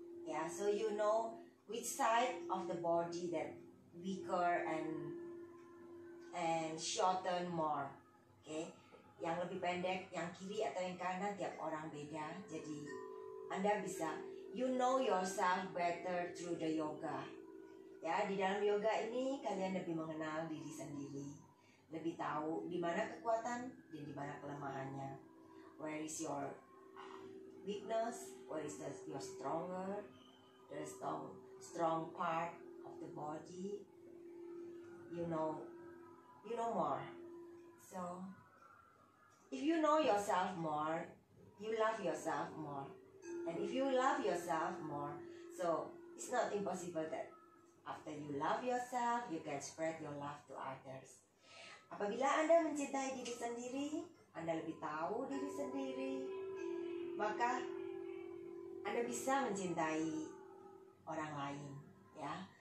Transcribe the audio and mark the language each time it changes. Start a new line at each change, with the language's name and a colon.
English: Yeah, so you know which side of the body that weaker and shorten more. Okay?
Indonesian: Yang lebih pendek, yang kiri atau yang kanan, tiap orang beda. Jadi, Anda bisa,
English: you know yourself better through the yoga.
Indonesian: Ya, di dalam yoga ini, kalian lebih mengenal diri sendiri. Lebih tahu di mana kekuatan dan di mana kelemahannya.
English: Where is your weakness? Where is your stronger? The strong part of the body? You know more. So, if you know yourself more, you love yourself more. And if you love yourself more, so it's not impossible that after you love yourself, you can spread your love to others.
Indonesian: Apabila Anda mencintai diri sendiri, Anda lebih tahu diri sendiri, maka Anda bisa mencintai orang lain, ya.